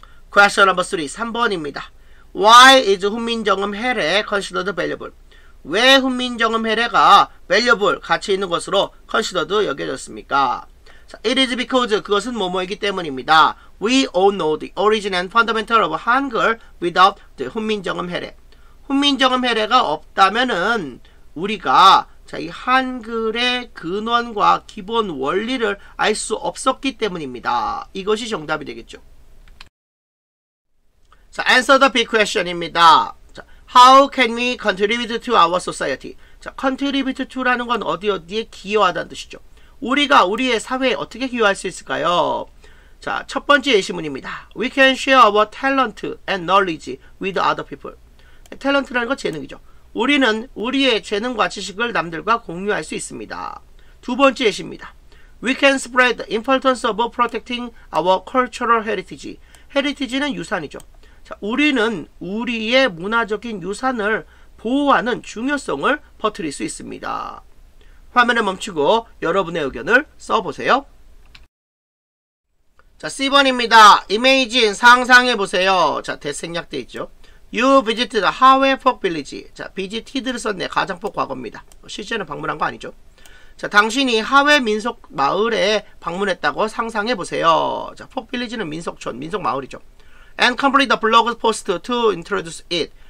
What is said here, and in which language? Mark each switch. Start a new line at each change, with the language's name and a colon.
English: Question number 3,
Korean: 3번입니다.
English: Why is 훈민정음 해례 considered valuable?
Korean: 왜 훈민정음 해례가 valuable, 가치 있는 것으로 considered 여겨졌습니까?
English: It is because
Korean: 그것은 뭐뭐이기 때문입니다.
English: We all know the origin and fundamental of Hangul without the 훈민정음 해례.
Korean: 훈민정음 해례가 없다면은 우리가 자, 이 한글의 근원과 기본 원리를 알 수 없었기 때문입니다. 이것이 정답이 되겠죠.
English: 자, answer the big question입니다. 자, how can we contribute to our society?
Korean: 자, contribute to라는 건 어디 어디에 기여하다는 뜻이죠. 우리가 우리의 사회에 어떻게 기여할 수 있을까요? 자, 첫 번째 예시문입니다.
English: We can share our talent and knowledge with other people.
Korean: talent라는 건 재능이죠. 우리는 우리의 재능과 지식을 남들과 공유할 수 있습니다. 두 번째 예시입니다.
English: We can spread the importance of protecting our cultural heritage.
Korean: heritage는 유산이죠. 자, 우리는 우리의 문화적인 유산을 보호하는 중요성을 퍼뜨릴 수 있습니다. 화면을 멈추고 여러분의 의견을 써보세요. 자, C번입니다. Imagine, 상상해보세요.
English: 자,
Korean: 대생략되어 있죠.
English: You visited Harway Folk Village.
Korean: 자, visited를 썼네. 가정법 과거입니다. 실제는 방문한 거 아니죠. 자, 당신이 하웨 민속 마을에 방문했다고 상상해보세요. 자, Folk Village는 민속촌, 민속 마을이죠.
English: And complete the blog post to introduce it.